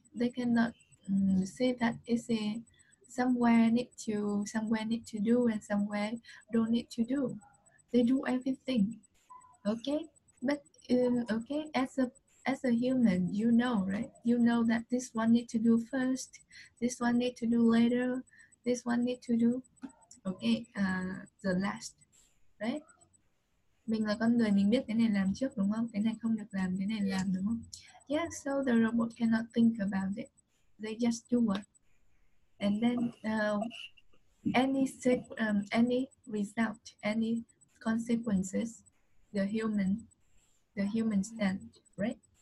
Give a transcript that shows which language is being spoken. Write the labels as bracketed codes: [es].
[en] They cannot say that it's a somewhere need to do and somewhere don't need to do. They do everything, okay? But okay, as a human, you know, right? You know that this one need to do first, this one need to do later, this one need to do, okay? The last, right? [vi] Mình là con người, mình biết cái này làm trước đúng không? Cái này không được làm, cái này làm đúng không? [en] Yeah. So the robot cannot think about it. They just do it, and then any result, any consequences, the human stand, right?